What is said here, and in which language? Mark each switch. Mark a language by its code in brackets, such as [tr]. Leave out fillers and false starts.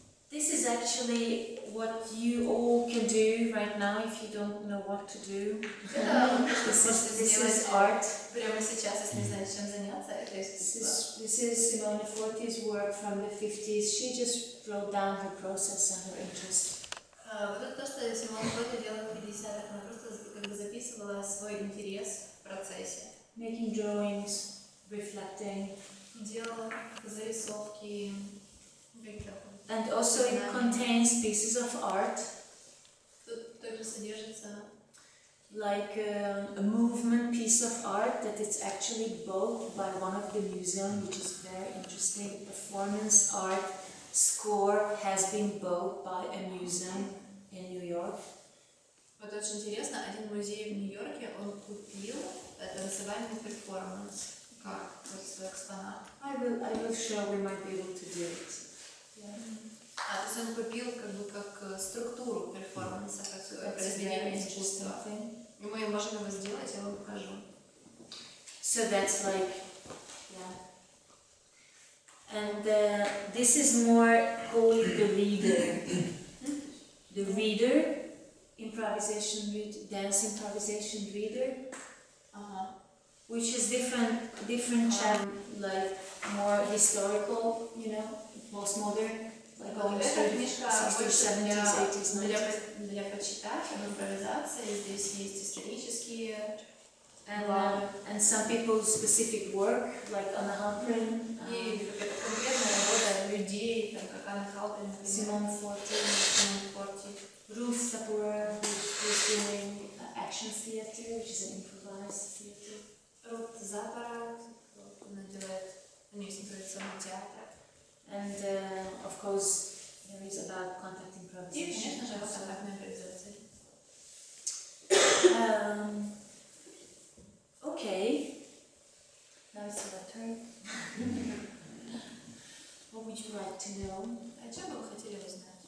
[en] This is actually what you all can do right now if you don't know what to do. This is art. This is Simone Forti's work from the 50s. She just wrote down her process and her interest. [ru] Вот это то, что я Симон Фотти делала в 50-х, она просто как бы записывала свой интерес в процессе. [en] Making drawings, reflecting. [ru] Делала зарисовки. [en] And also it contains pieces of art. [ru] Тут тоже содержится. [en] Like a movement piece of art that it's actually bought by one of the museums, which is very interesting. Performance art score has been bought by a museum. In New York. [ru] Вот очень интересно, один музей в Нью-Йорке, он купил танцевальный перформанс. Как? Вот свой экспонат. [en] I will show, we might be able to do it. [ru] А, то то есть он купил как бы как структуру перформанса, как произведение искусства. И мы можем его сделать, я вам покажу. [en] So that's like, yeah. And this is more called the reader. The reader, improvisation reader, dance improvisation reader. Which is different channel, like more historical, you know, postmodern, like going through the 60s, 70s, 80s, 90s. [ru] Для почитать об импровизации, здесь есть исторические. [en] And some people's specific work, like Anna Halperin. [ru] И какая-то конкретная работа людей, там, как Anna Halperin. [en] Simone Forti. Ruth Sapura, who's doing action theater, which is an improvised theater. [ru] Вот Запара, она делает, у нее есть импровизационный театр. [en] And of course, there is about contact improvisation. [ru] И, конечно же, вот контактная импровизация. [en] Okay. Now it's your turn. What would you like to know? [ru] О чем бы вы хотели узнать?